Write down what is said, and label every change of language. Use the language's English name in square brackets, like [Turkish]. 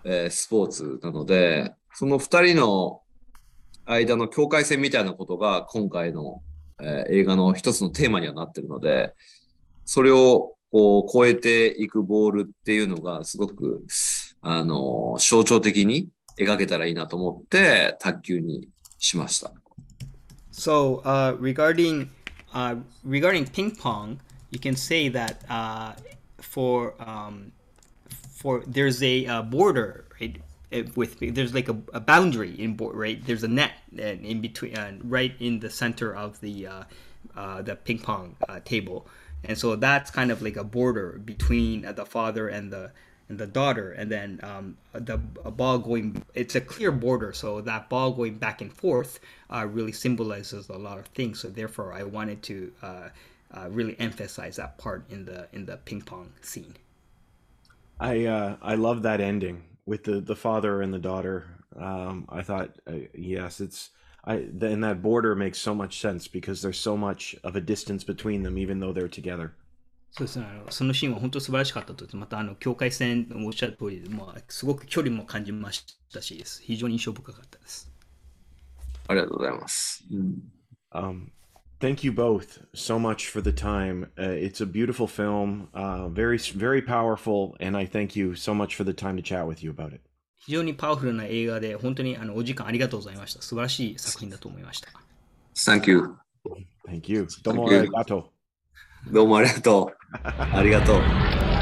[Japanese] スポーツなので、その2人の間の境界線みたいなことが今回の、映画の一つのテーマにはなってるので、それをこう超えていくボールっていうのがすごく、象徴的に描けたらいいなと思って卓球にしました。 [English] So, regarding ping pong, you can say that for there's a border, right? There's like a boundary in board, right? There's a net in between, right in the center of the ping pong table, and so that's kind of like a border between the father and the daughter, and then a ball going, it's a clear border, so that ball going back and forth really symbolizes a lot of things. So therefore, I wanted to really emphasize that part in the ping pong scene. I love that ending with the father and the daughter. I thought, yes, and that border makes so much sense because there's so much of a distance between them, even though they're together. [Japanese] そうですね、そのシーンは本当に素晴らしかったと。また境界線もおっしゃる通り、まあ、すごく距離も感じましたしです、非常に印象深かったです。ありがとうございます。 [English] Thank you both so much for the time. It's a beautiful film, very, very powerful, and I thank you so much for the time to chat with you about it. [Japanese] 非常にパワフルな映画で、本当にお時間ありがとうございました。素晴らしい作品だと思いました。 [English] Thank you. Thank you. [Japanese] どうもありがとう。どうもありがとう。ありがとう。